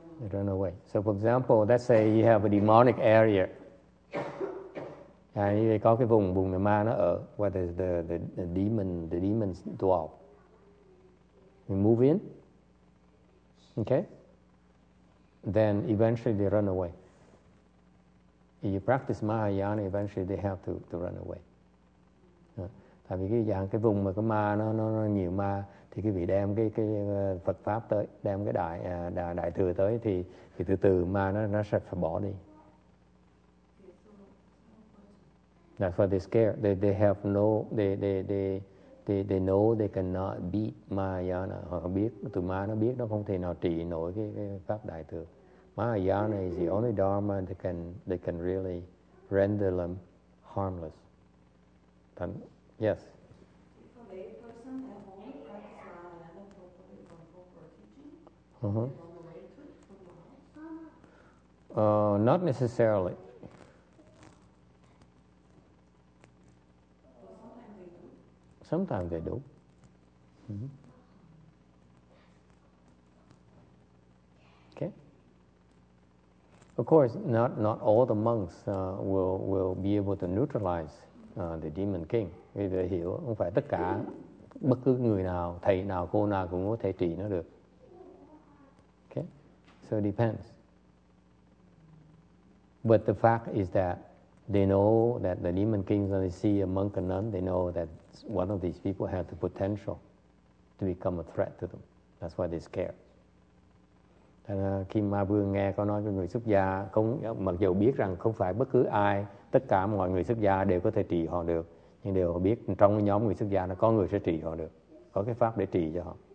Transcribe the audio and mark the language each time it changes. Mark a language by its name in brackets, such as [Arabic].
[English] They run away. So for example, let's say you have a demonic area. [Vietnamese] À, như vậy có cái vùng vùng này ma nó ở, [English] where the demons dwell. We move in, okay? Then eventually they run away. If you practice Mahayana, eventually they have to run away. [Vietnamese] Tại vì cái dạng cái vùng mà cái ma nó nhiều ma, thì cái vị đem cái Phật pháp tới, đem cái đại thừa tới thì từ từ ma nó sẽ phải bỏ đi. [English] That's why they scare. They have no they know they cannot beat Mahayana. [Vietnamese] Họ biết tụi ma nó biết nó không thể nào trị nổi cái pháp đại thừa. [English] Mahayana is the only dharma they can really render them harmless. Yes. If a lay person at home practices Mahayana for teaching, uh-huh. On the way to Mahayana? Not necessarily. Sometimes they do. Mm-hmm. Okay. Of course, not all the monks will be able to neutralize the demon king. [Vietnamese] Vì vậy hiểu không phải tất cả bất cứ người nào, thầy nào, cô nào cũng có thể trị nó được. [English] Okay. So it depends. But the fact is that they know that the demon kings, when they see a monk and nun, they know that one of these people has the potential to become a threat to them. That's why they're scared. [Vietnamese] Thành ra khi Ma Vương nghe có nói cho người xuất gia, không, mặc dù biết rằng không phải bất cứ ai, tất cả mọi người xuất gia đều có thể trị họ được, nhưng đều biết trong nhóm người xuất gia nó có người sẽ trị họ được, có cái pháp để trị cho họ.